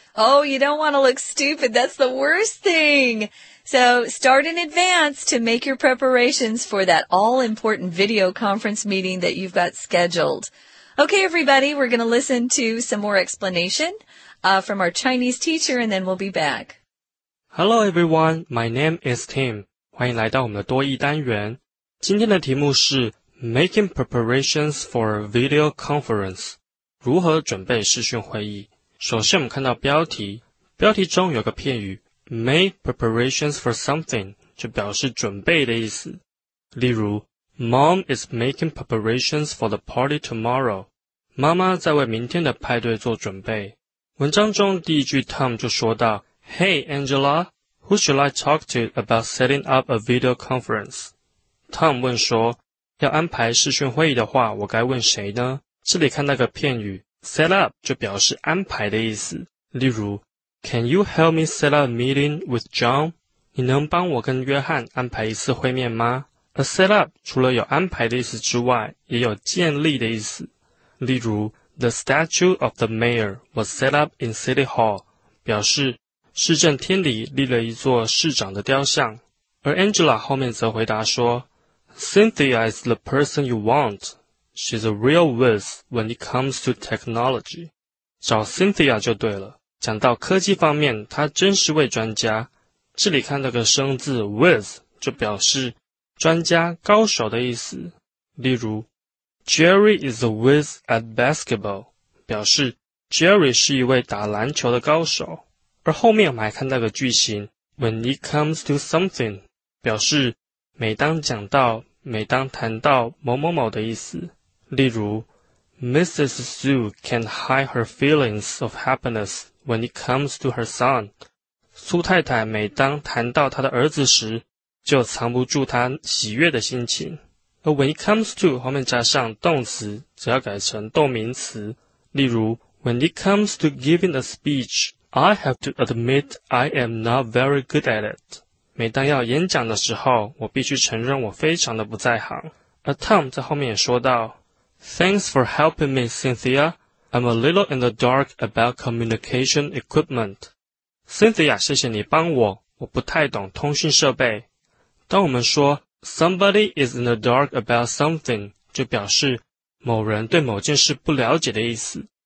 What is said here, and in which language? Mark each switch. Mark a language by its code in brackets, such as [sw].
[en] Oh, you don't want to look stupid. That's the worst thing. So start in advance to make your preparations for that all-important video conference meeting that you've got scheduled. Okay, everybody, we're going to listen to some more explanation from our Chinese teacher, and then we'll be back. Hello, everyone. My name is Tim. [zh] 欢迎来到我们的多益单元。今天的题目是 [en] Making preparations for a video conference. [zh] 如何准备视讯会议？首先我们看到标题，标题中有个片语 make preparations for something， 就表示准备的意思。例如 [en] Mom is making preparations for the party tomorrow， [zh] 妈妈在为明天的派对做准备。文章中第一句 [en] Tom [zh] 就说到 [en] Hey Angela， who should I talk to about setting up a video conference？ [zh] Tom 问说，要安排视讯会议的话，我该问谁呢？这里看到个片语Set up 就表示安排的意思。例如 [en] Can you help me set up a meeting with John? [zh] 你能帮我跟约翰安排一次会面吗？而 set up 除了有安排的意思之外，也有建立的意思。例如 [en] The statue of the mayor was set up in City Hall， [zh] 表示市政厅里立了一座市长的雕像。而 [en] Angela [zh] 后面则回答说 [en] Cynthia is the person you want。 She's a real whiz when it comes to technology. [zh] 找 Cynthia 就对了。讲到科技方面，她真是位专家。这里看到个生字 whiz， 就表示专家、高手的意思。例如 ， [en] Jerry is a whiz at basketball， [zh] 表示 Jerry 是一位打篮球的高手。而后面我们还看到个句型 when it comes to something， 表示每当讲到。每当谈到某某某的意思，例如 Mrs. [en] Su can't hide her feelings of happiness when it comes to her son. [zh] 苏太太每当谈到她的儿子时，就藏不住她喜悦的心情。而 when it comes to 后面加上动词，则要改成动名词。例如 [en] When it comes to giving a speech, I have to admit I am not very good at it. [zh] 每当要演讲的时候，我必须承认我非常的不在行。而 Tom 在后面也说到 [en] Thanks for helping me, Cynthia. I'm a little in the dark about communication equipment. [zh] Cynthia, 谢谢你帮我，我不太懂通讯设备。当我们说 [en] Somebody is in the dark about something, [zh] 就表示某人对某件事不了解的意思。